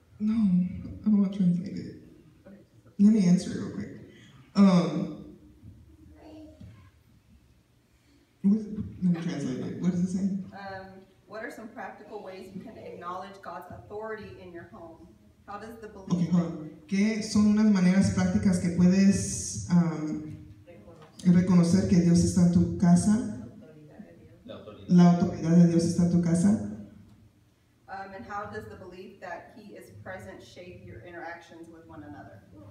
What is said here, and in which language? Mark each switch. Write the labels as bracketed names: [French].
[English] No, I don't want to translate it. Let me answer real quick. Let me translate it. What does it say? What are some practical ways you can acknowledge God's authority in your home? How does the belief... Okay, hold on. [Spanish] ¿Qué son unas maneras prácticas que puedes reconocer que Dios está en tu casa? La autoridad de Dios está en tu casa. [English] And how does the belief that He is present shape your interactions with one another?